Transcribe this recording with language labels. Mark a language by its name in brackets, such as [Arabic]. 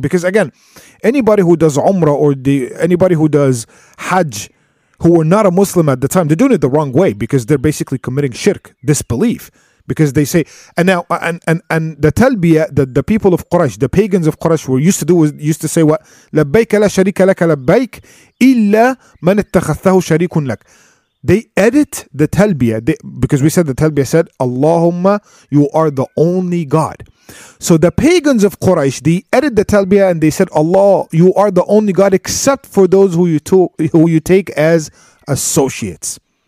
[English] Because again, anybody who does Umrah or anybody who does Hajj, who were not a Muslim at the time, they're doing it the wrong way, because they're basically committing shirk, disbelief. Because they say, and now, and the talbiyah, the people of Quraysh, the pagans of Quraysh were used to do, used to say what? [Arabic] لبيك لا شريك لك لبيك إلا من اتخذته شريك لك. [English] They edit the talbiyah, because we said the talbiyah said, Allahumma, you are the only God. So the pagans of Quraysh, they edit the talbiyah and they said, Allah, you are the only God except for those who you take as associates.